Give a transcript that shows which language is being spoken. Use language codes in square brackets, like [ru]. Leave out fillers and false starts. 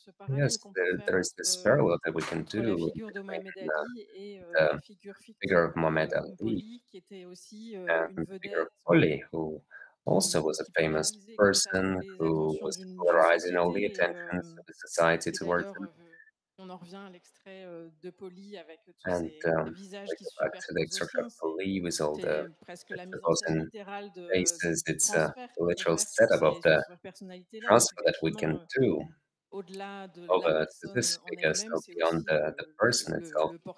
[en] Yes, there is this parallel that we can do between the figure of Mohamed Ali and the figure of Oli, who also was a famous person who was polarizing all the attention of the society towards him. [fr] On en revient à l'extrait de Poli avec tous ces visages qui sont super expressifs. [en] With all the posing faces, it's a literal setup of the transfer that we can do over to this figure, so beyond the person itself.